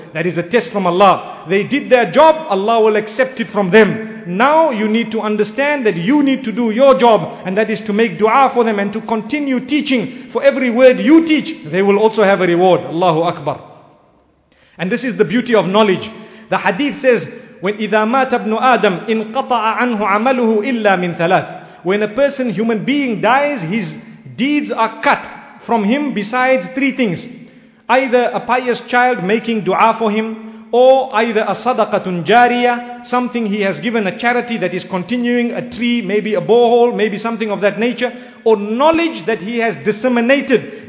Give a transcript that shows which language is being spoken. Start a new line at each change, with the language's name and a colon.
English: That is a test from Allah. They did their job, Allah will accept it from them. Now you need to understand that you need to do your job, and that is to make dua for them and to continue teaching. For every word you teach, they will also have a reward. Allahu Akbar. And this is the beauty of knowledge. The hadith says, when
Arabic: إِذَا مَاتَ ابْنُ آدَمْ إِنْ قَطَعَ عَنْهُ عَمَلُهُ إِلَّا مِنْ ثَلَاثٍ.
English: When a person, human being, dies, his deeds are cut from him besides three things. Either a pious child making dua for him, or either a sadaqatun jariyah, something he has given a charity that is continuing, a tree, maybe a borehole, maybe something of that nature, or knowledge that he has disseminated.